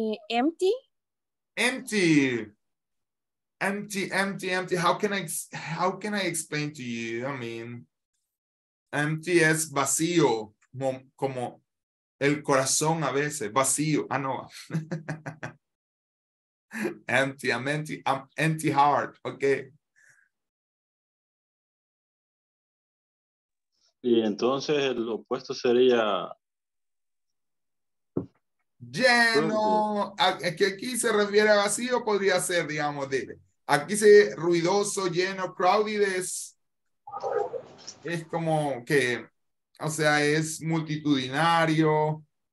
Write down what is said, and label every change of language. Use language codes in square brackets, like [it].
[en] Empty. Empty. Empty. How can I explain to you? I mean, [es] empty es vacío, como el corazón a veces, vacío. Ah, no. [en] Empty, I'm empty heart, okay. [es] Y entonces el opuesto sería lleno. Aquí se refiere a vacío, podría ser, digamos, aquí se ruidoso, lleno, crowded es como que, o sea, es multitudinario.